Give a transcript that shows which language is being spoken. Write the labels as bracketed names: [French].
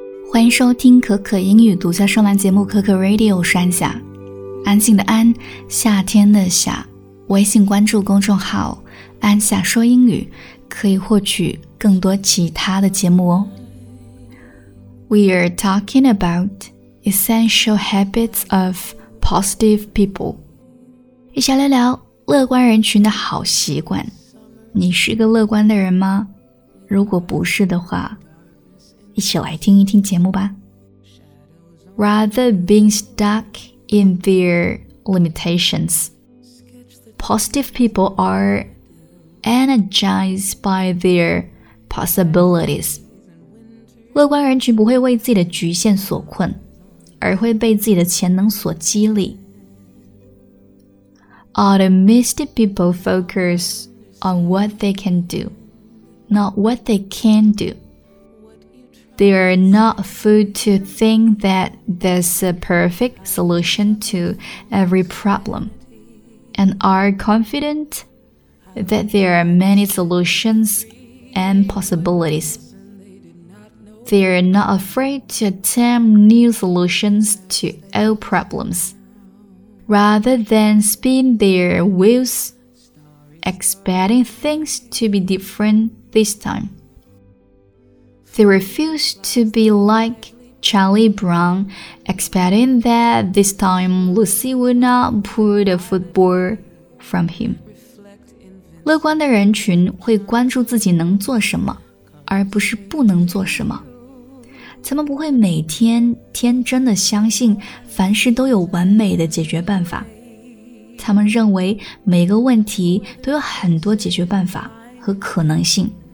[Chinese] 欢迎收听可可英语独家上栏节目可可 Radio， 我是安夏，安静的安，夏天的夏。微信关注公众号安夏说英语，可以获取更多其他的节目哦。 [English] We are talking about essential habits of positive people， [Chinese] 一起聊聊乐观人群的好习惯。你是个乐观的人吗？如果不是的话，一起来听一听节目吧。 [English] Rather being stuck in their limitations, positive people are energized by their possibilities. [Chinese] 乐观人群不会为自己的局限所困，而会被自己的潜能所激励。 [English] Optimistic people focus on what they can do, not what they can't do. They are not fooled to think that there's a perfect solution to every problem, and are confident that there are many solutions and possibilities. They are not afraid to attempt new solutions to old problems. Rather than spin their wheels, expecting things to be different this time,They refuse to be like Charlie Brown, expecting that this time Lucy would not pull the football from him. [Chinese] 乐观的人群会关注自己能做什么，而不是不能做什么。他们不会每天天真的相信凡事都有完美的解决办法。他们认为每个问题都有很多解决办法和可能性。